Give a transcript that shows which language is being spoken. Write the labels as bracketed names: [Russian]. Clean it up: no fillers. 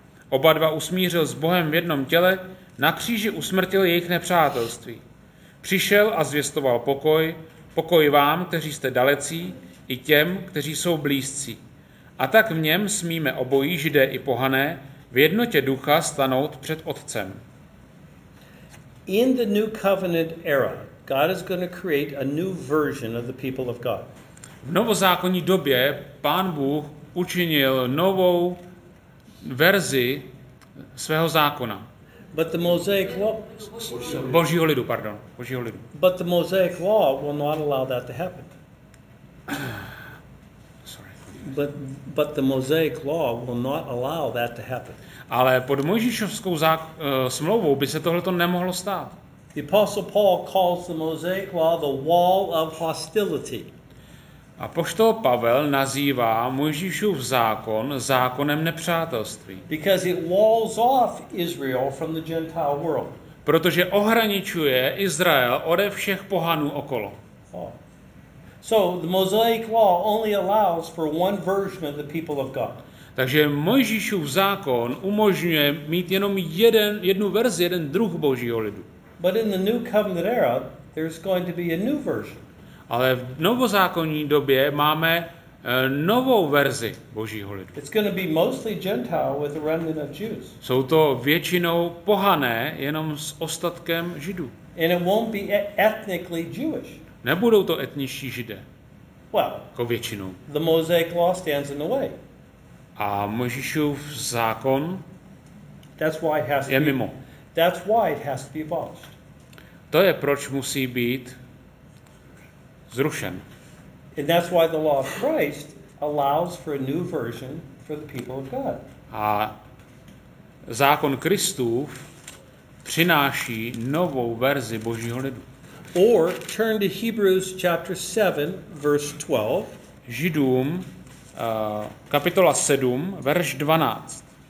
[Czech] Oba dva usmířil s Bohem v jednom těle, na kříži usmrtil jejich nepřátelství. Přišel a zvěstoval pokoj, pokoj vám, kteří jste dalecí, i těm, kteří jsou blízcí. A tak v něm smíme obojí, Židé i pohané, v jednotě ducha stanout před Otcem. [English] In the new covenant era, God is going to create a new version of the people of God. [Czech] V novozákonní době Pán Bůh učinil novou verzi svého zákona. [English] But the Mosaic law, [Czech] Božího lidu, pardon, Božího lidu. [English] But the Mosaic law will not allow that to happen. Sorry. But the Mosaic law will not allow that to happen. [Czech] Ale pod Mojžíšovskou smlouvou by se tohle to nemohlo stát. [English] The Apostle Paul calls the Mosaic law the wall of hostility. [Czech] A apoštol Pavel nazývá Mojžíšův zákon zákonem nepřátelství. [English] Because it walls off Israel from the Gentile world. [Czech] Protože ohraničuje Izrael ode všech pohanů okolo. [English] So the Mosaic law only allows for one version of the people of God. [Czech] Takže Mojžíšův zákon umožňuje mít jenom jednu verzi, jeden druh Božího lidu. [English] But in the new covenant era, there's going to be a new version. [Czech] Ale v novozákonní době máme novou verzi Božího lidu. [English] It's going to be mostly Gentile with a remnant of Jews. [Czech] Jsou to většinou pohané, jenom s ostatkem Židů. [English] And it won't be ethnically Jewish. [Czech] Nebudou to etničtí Židé. [English] Well, [Czech] jako většinou. [English] The Mosaic law stands in the way. [Czech] A Mojžíšův zákon je mimo. [English] That's why it has to be abolished. [Czech] To je proč musí být zrušen. [English] And that's why the law of Christ allows for a new version for the people of God. [Czech] A zákon Kristův přináší novou verzi Božího lidu. [English] Or turn to Hebrews chapter 7 verse 12. [Czech] Židům kapitola 7 verš 12.